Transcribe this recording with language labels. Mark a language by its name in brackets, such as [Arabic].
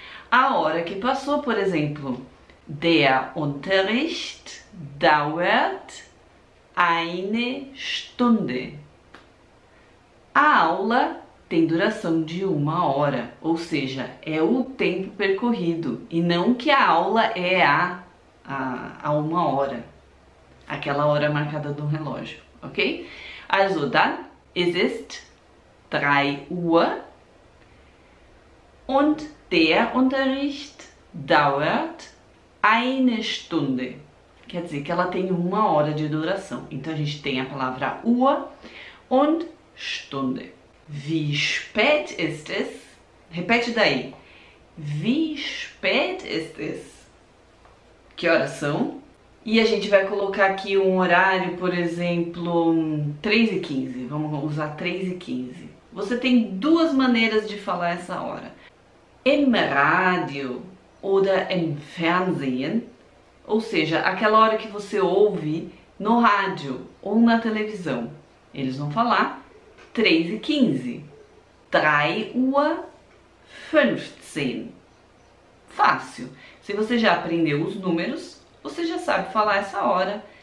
[Portuguese] A hora que passou, por exemplo, [German] der Unterricht dauert eine Stunde. [Portuguese] A aula tem duração de uma hora, ou seja, é o tempo percorrido, e não que a aula é a uma hora, aquela hora marcada no relógio, ok? [German] Also, dann, es ist 3 Uhr und der Unterricht dauert eine Stunde. [Portuguese] Quer dizer que ela tem uma hora de duração. Então a gente tem a palavra Uhr und Stunde. [German] Wie spät ist es? [Portuguese] Repete daí. [German] Wie spät ist es? [Portuguese] Que horas são? E a gente vai colocar aqui um horário, por exemplo, 3h15. Vamos usar 3h15. Você tem duas maneiras de falar essa hora. [German] Im Radio oder im Fernsehen. [Portuguese] Ou seja, aquela hora que você ouve no rádio ou na televisão. Eles vão falar 3h15. 3 Uhr 15. Fácil. Se você já aprendeu os números, você já sabe falar essa hora.